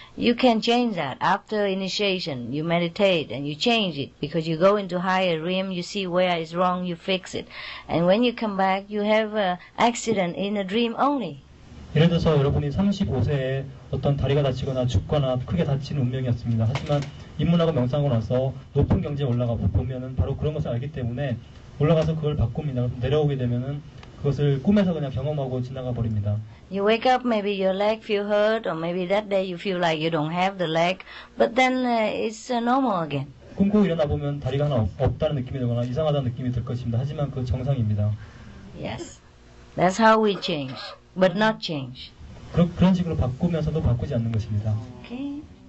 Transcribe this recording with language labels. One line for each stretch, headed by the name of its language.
English: You can change that after initiation. You meditate and you change it because you go into higher realm, you see where is wrong, you fix it. And when you come back, you have an accident in a dream only.
Korean: 예를 들어서 여러분이 35세에 어떤 다리가 다치거나 죽거나 크게 다친 운명이었습니다. 하지만 입문하고 명상하고 나서 높은 경지에 올라가 보면은 바로 그런 것을 알기 때문에 올라가서 그걸 바꿉니다. 내려오게 되면은 그것을 꿈에서 그냥 경험하고 지나가 버립니다.
English: You wake up, maybe your leg feel hurt, or maybe that day you feel like you don't have the leg, but then it's normal again.
Korean: 꿈꾸고 일어나 보면 다리가 하나 없다는 느낌이 들거나 이상하다는 느낌이 들 것입니다. 하지만 그 정상입니다.
English: Yes, that's how we change. But not change.
Korean: 그런 식으로 바꾸면서도 바꾸지 않는 것입니다.
English: Okay.